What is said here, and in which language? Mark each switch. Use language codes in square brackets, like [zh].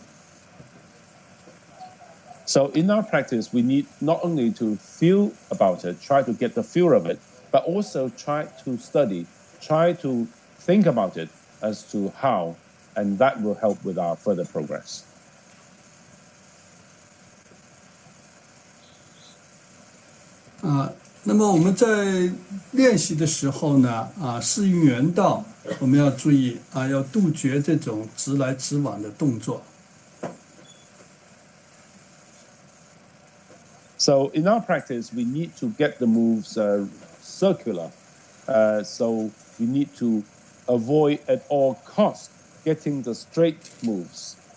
[zh] 另外一方面呢，要坚持用脑，用心去琢磨，这样呢，我们就能够进步。 [en] So in our practice, we need not only to feel about it, try to get the feel of it, but also try to study, try to think about it as to how, and that will help with our further progress. [zh] 那么我们在练习的时候呢，适应原道，我们要注意，要杜绝这种直来直往的动作。 [en] So in our practice, we need to get the moves circular. So we need to avoid at all costs getting the straight moves.